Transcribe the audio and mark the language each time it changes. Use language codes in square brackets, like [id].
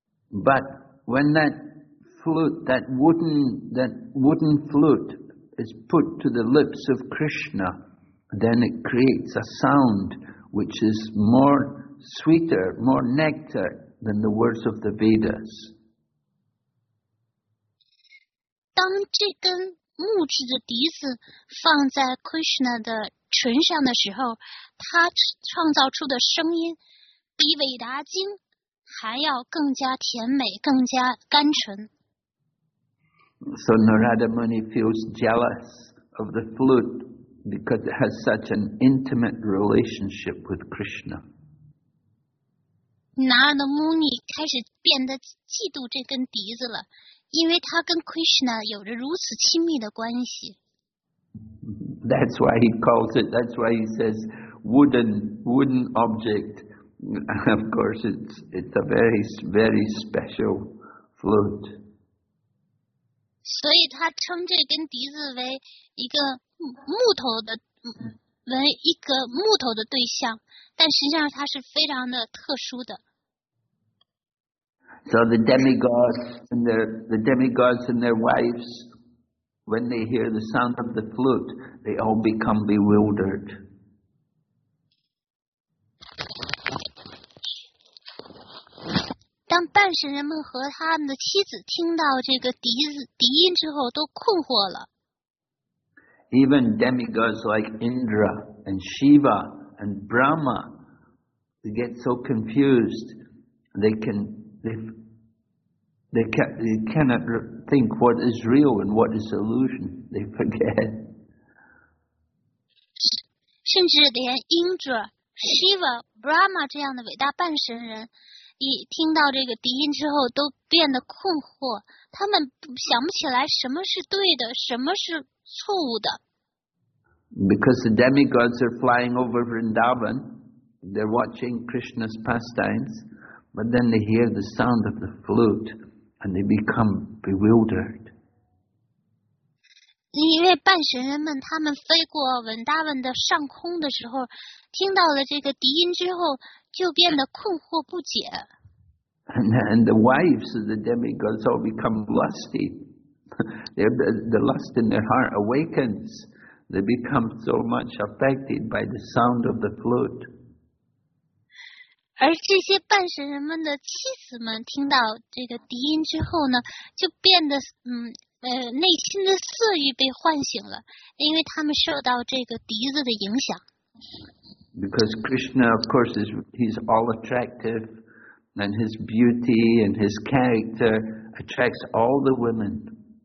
[en] But when that wooden flute is put to the lips of Krishna, then it creates a sound which is more sweeter, more nectar than the words of the Vedas. [zh] 当这根木质的笛子放在 Krishna 的唇上的时候，他创造出的声音比韦达经还要更加甜美，更加甘醇。 [en] So Narada Muni feels jealous of the flute because it has such an intimate relationship with Krishna. [zh] Narada Muni 开始变得嫉妒这根笛子了。因为他跟 Krishna 有着如此亲密的关系。 [en] That's why he calls it, that's why he says wooden object. Of course, it's a very, very special flute. [zh] 所以他称这根笛子为一个木头的，为一个木头的对象，但实际上它是非常的特殊的。 [en] So the demigods and their wives, when they hear the sound of the flute, they all become bewildered. When [zh] 半神人们和他们的妻子听到这个笛音之后，都困惑了。 [en] Even demigods like Indra and Shiva and Brahma, they get so confused, they cannot think what is real and what is illusion. They forget. [zh] 甚至连 Indra、Shiva、Brahma 这样的伟大半神人，一听到这个笛音之后，都变得困惑。他们想不起来什么是对的，什么是错误的。 [en] Because the demigods are flying over Vrindavan, they're watching Krishna's pastimes, but then they hear the sound of the flute and they become bewildered. [zh] 因为半神人们他们飞过 Vrindavan 的上空的时候，听到了这个笛音之后，就变得困惑不解。 [en] And the wives of the demigods all become lusty. The lust in their heart awakens. They become so much affected by the sound of the flute. [zh] 而这些半神人们的妻子们听到这个笛音之后呢，就变得内心的色欲被唤醒了，因为他们受到这个笛子的影响。 [en] Because Krishna, of course, he's all attractive, and his beauty and his character attracts all the women.